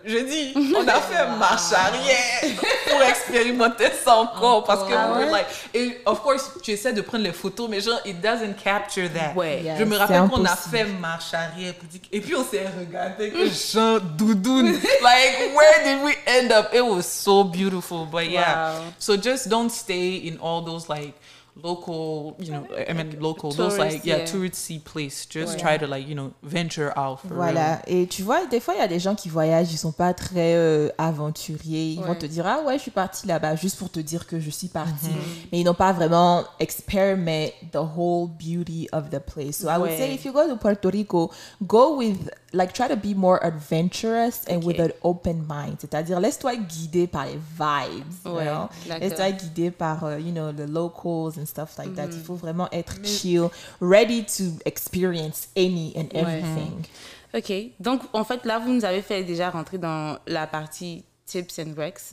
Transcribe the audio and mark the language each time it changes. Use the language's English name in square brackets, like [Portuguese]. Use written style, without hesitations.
[French] Je dis, on a fait marche arrière pour expérimenter ça encore, parce que, like, et of course, tu essaies de prendre les photos, mais genre, [English] it doesn't capture that. [French] Ouais, yeah, je me rappelle qu'on a fait marche arrière, pour dire, et puis on s'est regardé, genre, doudoune. [English] Like, where did we end up? It was so beautiful, but So just don't stay in all those, like, touristy place. Just try to, like, you know, venture out. For [French] voilà. [English] Real. [French] Et tu vois, des fois, il y a des gens qui voyagent, ils sont pas très aventuriers. Ils vont te dire, ah ouais, je suis partie là-bas juste pour te dire que je suis partie. Mm-hmm. Mais ils n'ont pas vraiment expérimenté [English] the whole beauty of the place. So I would say, if you go to Puerto Rico, go with, like, try to be more adventurous and with an open mind. [French] C'est-à-dire, laisse-toi guider par les vibes. Ouais, [English] you know? [French] Laisse-toi guider par, [English] you know, the locals and stuff like that. [French] Il faut vraiment être chill, [English] ready to experience any and everything. [French] OK. Donc, en fait, là, vous nous avez fait déjà rentrer dans la partie tips and recs.